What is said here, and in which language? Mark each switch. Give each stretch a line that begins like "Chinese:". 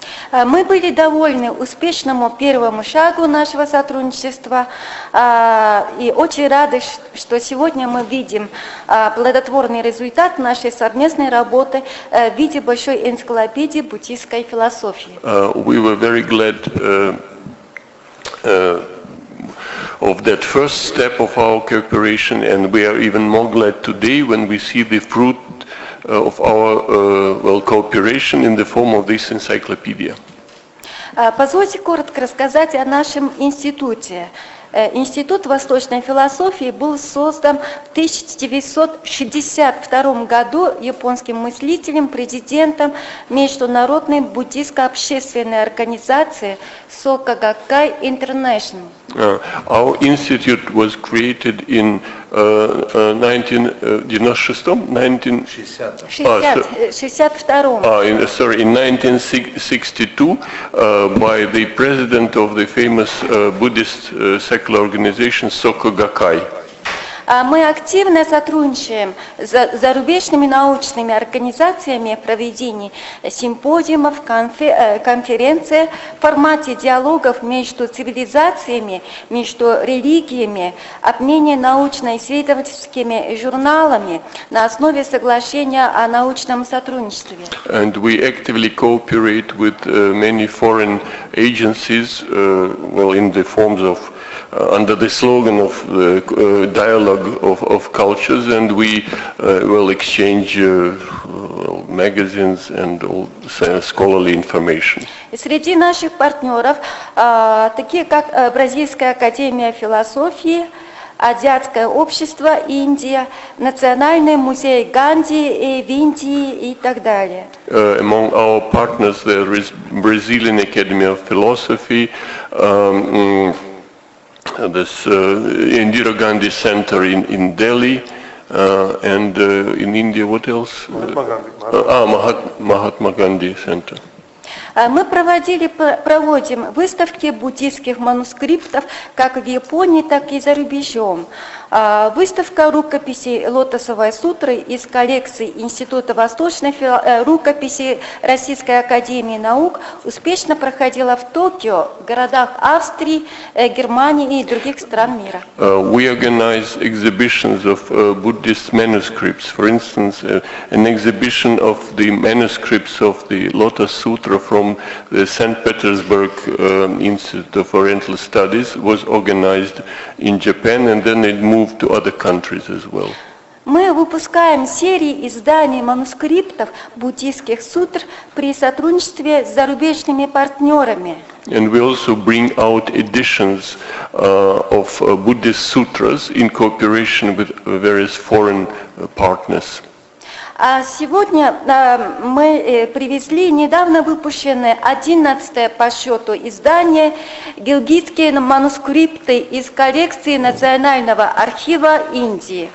Russian: Мы были довольны успешному первому шагу нашего сотрудничества и очень рады, что сегодня мы видим плодотворный результат нашей совместной работы в виде большой энциклопедии буддийской философии.
English: We were very glad of that first step of our cooperation, and we are even more glad today when we see the fruit of our cooperation in the form of this encyclopedia.
Russian: Позвольте коротко рассказать о нашем институте. Институт восточной философии был создан в 1962 году японским мыслителем, президентом международной буддийско-общественной организации Soka Gakkai International.
English: Our institute was created in 1962 by the president of the famous Buddhist secular organization Soka Gakkai.
Russian: Мы активно сотрудничаем с зарубежными научными организациями в проведении симпозиумов, конференций в формате диалогов между цивилизациями, между религиями, обмене научно-исследовательскими журналами на основе соглашения о научном сотрудничестве.
English: And we actively cooperate with many foreign agencies, well, in the forms of under the slogan of the dialogue of cultures, and we will exchange magazines and all scholarly information.
Russian: Среди наших партнеров такие как Бразильская академия философии, Азиатское общество Индия, Национальный музей Ганди и в Индии и так далее.
English: Among our partners there is Brazilian Academy of Philosophy. This Indira Gandhi Center in Delhi, and in India, what else? Mahatma Gandhi Center.
Russian: Мы проводим выставки буддийских манускриптов как в Японии, так и за рубежом. Выставка рукописей Лотосовой сутры из коллекции Института восточной рукописи Российской академии наук успешно проходила в Токио, в городах Австрии, Германии и других стран мира.
English: We organize exhibitions of Buddhist manuscripts. For instance, an exhibition of the manuscripts of the Lotus Sutra from the St. Petersburg Institute of Oriental Studies was organized in Japan, and then it moved to other countries as well.
Russian: Мы выпускаем серии изданий манускриптов буддийских сутр при сотрудничестве с зарубежными партнерами.
English: And we also bring out editions of Buddhist sutras in cooperation with various foreign partners.
Russian: А сегодня мы привезли недавно выпущенное 11-е по счету издание «Гилгитские манускрипты» из коллекции Национального архива Индии.